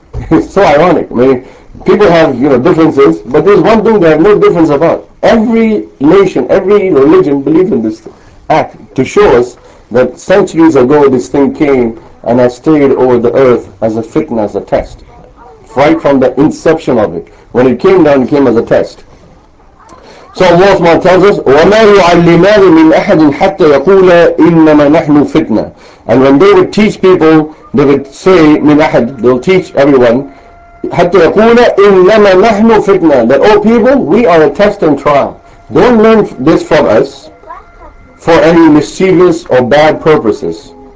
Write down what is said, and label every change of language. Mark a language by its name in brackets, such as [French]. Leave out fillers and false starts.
[English] It's so ironic. I mean, people have, you know, differences, but there's one thing they have no difference about. Every nation, every religion believes in this act to show us that centuries ago this thing came and has stayed over the earth as a fitna, as a test. Right from the inception of it. When it came down, it came as a test. So Allah SWT tells us, [Arabic] وَمَا يُعَلِّمَانِ مِنْ أَحَدٍ حَتَّى يَقُولَ إِنَّمَا نَحْنُ فِتْنَةٌ. [English] And when they would teach people, they would say, [Arabic] مِنْ أَحَدٍ, [English] they'll teach everyone, [Arabic] حَتَّى يَقُولَ إِنَّمَا نَحْنُ فِتْنَةٌ, [English] that, oh people, we are a test and trial. Don't learn this from us for any mischievous or bad purposes.